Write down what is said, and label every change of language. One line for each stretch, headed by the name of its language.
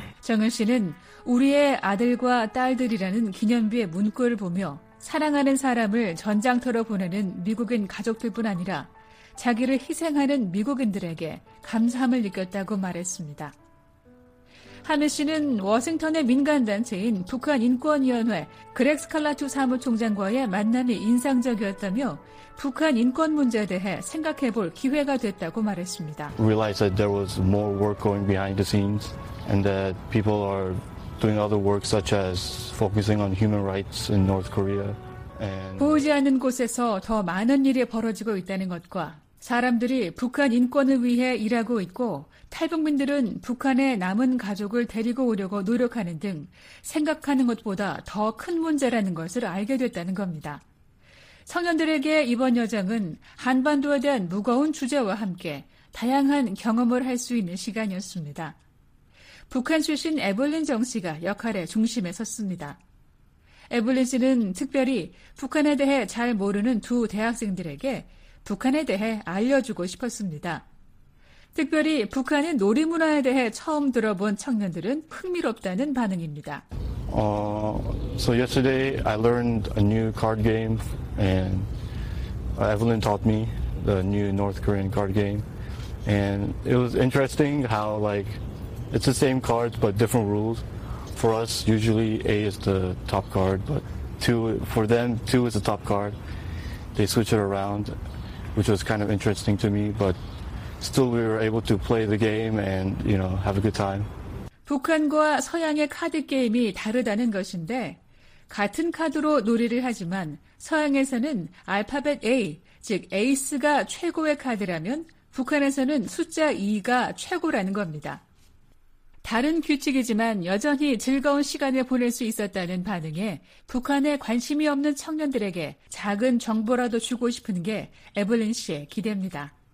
Korean: 정은 씨는 우리의 아들과 딸들이라는 기념비의 문구를 보며 사랑하는 사람을 전장터로 보내는 미국인 가족들뿐 아니라 자기를 희생하는 미국인들에게 감사함을 느꼈다고 말했습니다. 한혜 씨는 워싱턴의 민간단체인 북한인권위원회 그렉 스칼라투 사무총장과의 만남이 인상적이었다며 북한 인권 문제에 대해 생각해 볼 기회가 됐다고 말했습니다.
English: Realized that there was more work going behind the scenes and that people are doing other work such as focusing on human rights in North Korea.
Korean: 보이지 않는 곳에서 더 많은 일이 벌어지고 있다는 것과 사람들이 북한 인권을 위해 일하고 있고 탈북민들은 북한의 남은 가족을 데리고 오려고 노력하는 등 생각하는 것보다 더 큰 문제라는 것을 알게 됐다는 겁니다. 청년들에게 이번 여정은 한반도에 대한 무거운 주제와 함께 다양한 경험을 할 수 있는 시간이었습니다. 북한 출신 에블린 정 씨가 역할의 중심에 섰습니다. 에블린 씨는 특별히 북한에 대해 잘 모르는 두 대학생들에게 북한에 대해 알려주고 싶었습니다. 특별히 북한의 놀이문화에 대해 처음 들어본 청년들은 흥미롭다는 반응입니다.
English: So yesterday I learned a new card game and Evelyn taught me the new North Korean card game and it was interesting how like it's the same cards but different rules. For us usually A is the top card but for them two is the top card. They switch it around which was kind of interesting to me but still we were able to play the game and you know have a good time.
Korean: 북한과 서양의 카드 게임이 다르다는 것인데 같은 카드로 놀이를 하지만 서양에서는 알파벳 A, 즉 에이스가 최고의 카드라면 북한에서는 숫자 2가 최고라는 겁니다. 다른 규칙이지만 여전히 즐거운 시간을 보낼 수 있었다는 반응에 북한에 관심이 없는 청년들에게 작은 정보라도 주고 싶은 게 에블린 씨의 기대입니다.